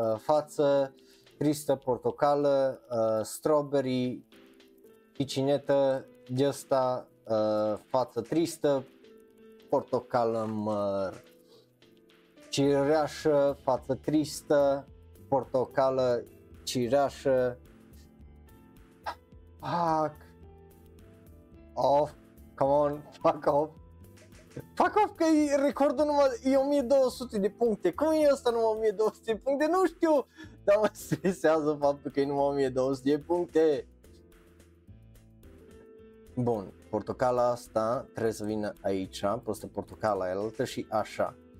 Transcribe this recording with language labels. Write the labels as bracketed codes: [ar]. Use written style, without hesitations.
[ro] Față, tristă, portocală, strawberry, picinetă. De asta, față tristă, portocală, măr. Cireașă, față tristă, portocală, cireașă. [en] Fuck off, come on, fuck off. Fuck off [ro] că recordul numai e 1200 de puncte. Cum e ăsta numai 1200 de puncte? Nu știu, dar mă stresează faptul că e numai 1200 de puncte. Bun, portocala asta trebuie să vină aici, peste portocala aia și așa.